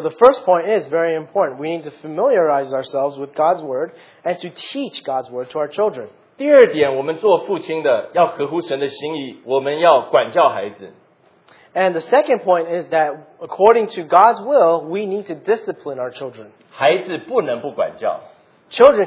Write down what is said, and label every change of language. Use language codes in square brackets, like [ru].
[en] the first point is very important. We need to familiarize ourselves with God's word and to teach God's word to our children. [zh] 第二点，我们做父亲的要合乎神的心意，我们要管教孩子。 [en] And the second point is that according to God's will, we need to discipline our children. [zh] 孩子不能不管教。 [en] Children